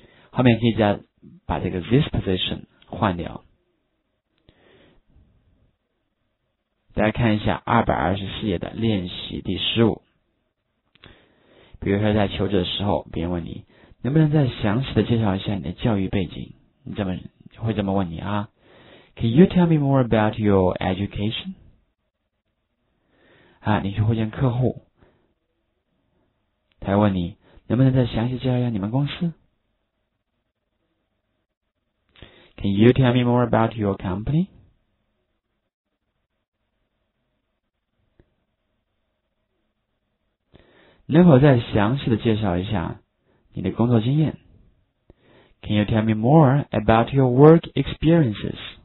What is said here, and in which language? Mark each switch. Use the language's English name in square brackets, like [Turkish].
[Chinese] 后面可以加把这个 [English] this position [Chinese] 换掉。大家看一下224页的练习第15。比如说在求职的时候，别人问你，能不能再详细的介绍一下你的教育背景？你这么会这么问你啊。 [English] Can you tell me more about your education? [Chinese] 啊，你去会见客户，他问你，能不能再详细介绍一下你们公司？ [English] Can you tell me more about your company? [Chinese] 能否再详细的介绍一下你的工作经验？ [English] Can you tell me more about your work experiences?